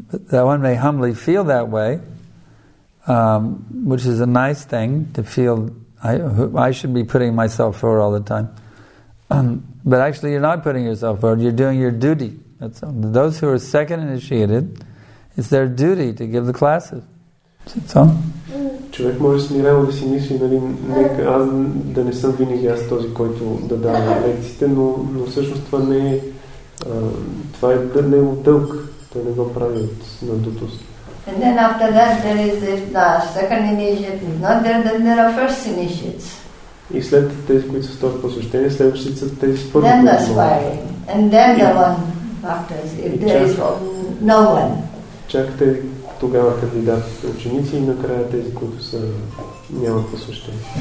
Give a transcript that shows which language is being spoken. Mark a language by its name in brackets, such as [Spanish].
[English] That one may humbly feel that way, which is a nice thing to feel. I should be putting myself forward all the time, but actually, you're not putting yourself forward. You're doing your duty. That's all. Those who are second initiated, it's their duty to give the classes. That's all. [Bulgarian] Човек може смирено да си мисли, нали, аз да не съм винаги аз този, който да дава лекциите, но всъщност това не е, това е да не е от дълг. Той не го прави от надутост. [English] And then after that there is the second initiate, not there, then there are first initiates. [Bulgarian] И след тези, които са втори посвещение, следващите са тези първи. [English] Then the aspiring. And then the one after, if there is no one. [Bulgarian] Чакате тогава кандидатите ученици и накрая тези, които са нямат посвещение.